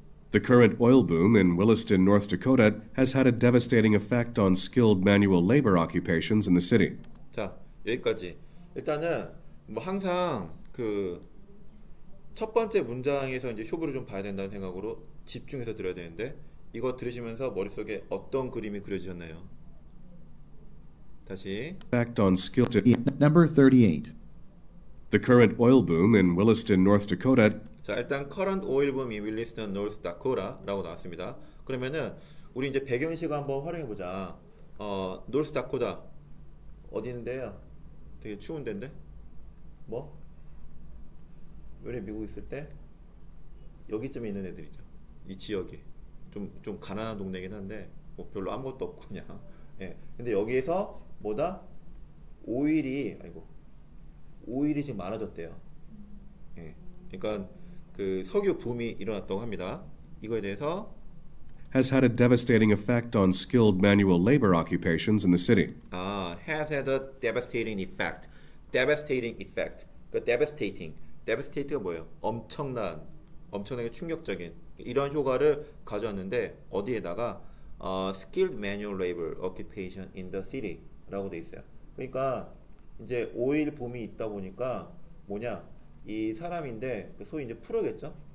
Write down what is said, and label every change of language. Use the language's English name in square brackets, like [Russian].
[English] The current oil boom in Williston, North Dakota has had a devastating effect on skilled manual labor occupations in the city. [Korean] 자, 여기까지. 일단은 뭐 항상 그 첫 번째 문장에서 이제 쇼부를 좀 봐야 된다는 생각으로 집중해서 들어야 되는데 이거 들으시면서 머릿속에 어떤 그림이 그려지셨나요? 다시. [English] Effect on skilled Number 38. The current oil boom in Williston, North Dakota. [Korean] 자, 일단 [English] current oil boom in Williston, North Dakota [Korean] 라고 나왔습니다. 그러면은 우리 이제 배경식을 한번 활용해 보자. North Dakota 어디 있는데요? 되게 추운 데인데. 뭐? 우리 미국 있을 때 여기쯤에 있는 애들이죠. 이 지역에 좀 가난한 동네긴 한데 뭐 별로 아무것도 없고 그냥. 예. 근데 여기에서 뭐다? 오일이 지금 많아졌대요. 예. 그러니까 그 석유 붐이 일어났다고 합니다. 이거에 대해서 [English] has had a devastating effect on skilled manual labor occupations in the city. [Korean] 아, [English] has had a devastating effect. devastating effect. [Korean] 그 [English] devastating. [Korean] devastating가 뭐예요? 엄청나게 충격적인 이런 효과를 가져왔는데 어디에다가 [English] skilled manual labor occupation in the city [Korean] 라고 돼 있어요. 그러니까 이제 오일 붐이 있다 보니까 뭐냐 이 사람인데 소위 이제 프로겠죠.